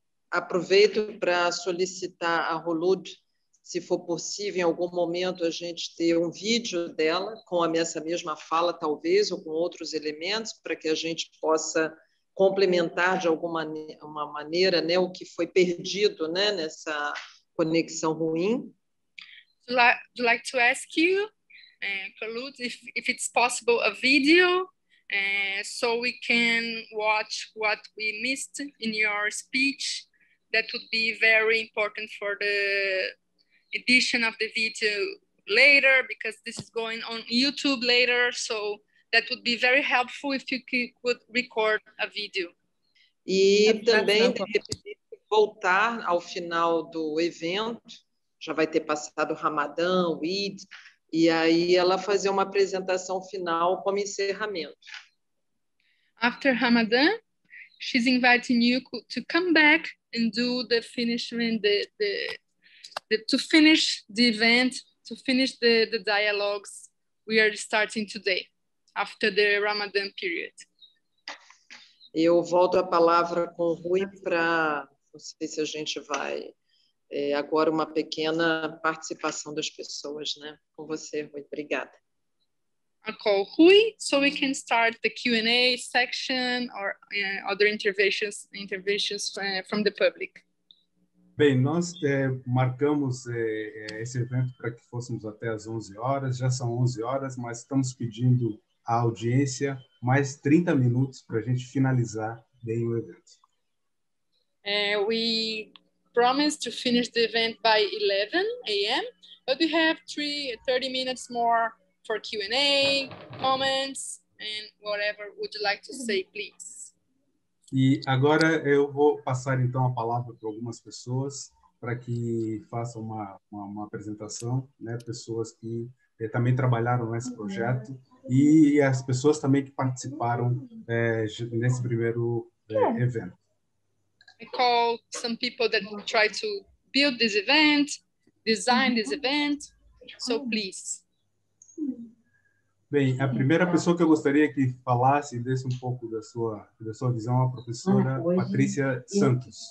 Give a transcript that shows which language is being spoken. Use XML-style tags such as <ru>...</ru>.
<pt>Aproveito para solicitar a Hulud, se for possível, em algum momento, a gente ter um vídeo dela com essa mesma fala, talvez, ou com outros elementos, para que a gente possa complementar de alguma maneira, né, o que foi perdido, né, nessa conexão ruim.</pt> <en>I'd like to ask you, Kalut, if it's possible a video, so we can watch what we missed in your speech. That would be very important for the edition of the video later, because this is going on YouTube later, so that would be very helpful if you could record a video.</en> <pt>E também, de repente, voltar ao final do evento, já vai ter passado o Ramadã, o Eid, e aí ela fazer uma apresentação final como encerramento.</pt> <en>After Ramadan, she's inviting you to come back and do the finishing, to finish the event, to finish the dialogues we are starting today. after the Ramadan period.</en> <pt>Eu volto a palavra com o Rui para, não sei se a gente vai, agora uma pequena participação das pessoas, né? Com você, Rui, obrigada.</pt> <en>I'll call Rui, so we can start the Q&A section or other interventions from the public.</en> <pt>Bem, nós marcamos esse evento para que fôssemos até às 11 horas, já são 11 horas, mas estamos pedindo à audiência mais 30 minutos para a gente finalizar bem o evento.</pt> <en>We promised to finish the event by 11 a.m., but we have 30 minutes more for Q&A, comments, and whatever would you like to say, please.</en> <pt>E agora eu vou passar, então, a palavra para algumas pessoas para que façam uma apresentação, né? Pessoas que também trabalharam nesse projeto e as pessoas também que participaram nesse primeiro evento.</pt> <en>I call some people that try to build this event, design this event, so please.</en> <pt>Bem, a primeira pessoa que eu gostaria que falasse e desse um pouco da sua visão é a professora Patrícia Santos.</pt>